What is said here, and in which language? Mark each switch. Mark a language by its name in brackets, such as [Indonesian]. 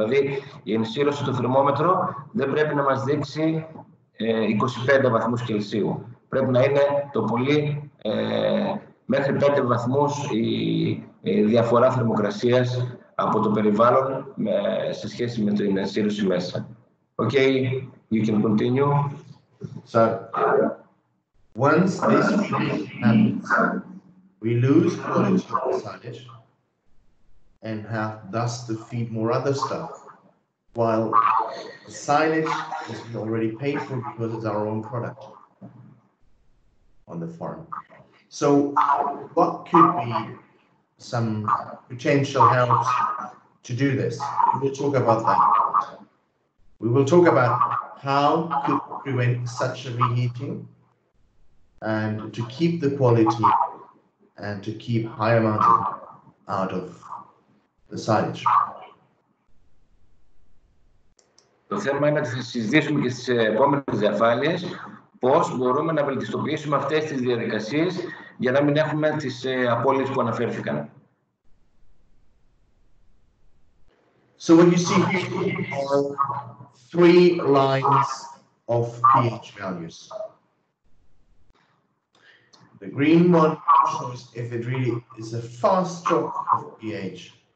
[Greek] Δηλαδή η ενσύρωση στο θερμόμετρο δεν πρέπει να μας δείξει 25 βαθμούς Κελσίου. Πρέπει να είναι το πολύ μέχρι 5 βαθμούς η διαφορά θερμοκρασίας από το περιβάλλον σε σχέση με την ενσύρωση μέσα. [English] Okay, you can continue. So, once this happens, we lose quality of the silage and have thus to feed more other stuff, while the silage is already paid for because it's our own product on the farm. So, what could be some potential help to do this? We'll talk about that. We will talk about how could prevent such a reheating and to keep the quality and to keep high amounts of out of the silage. [Greek] Το θέμα είναι ότι θα συζητήσουμε και στις επόμενες διαφάνειες πώς μπορούμε να βελτιστοποιήσουμε αυτές τις διαδικασίες για να μην έχουμε τις απώλειες που αναφέρθηκαν. [English] So what you see here are three lines of pH values. The green one shows if it really is a fast drop of pH.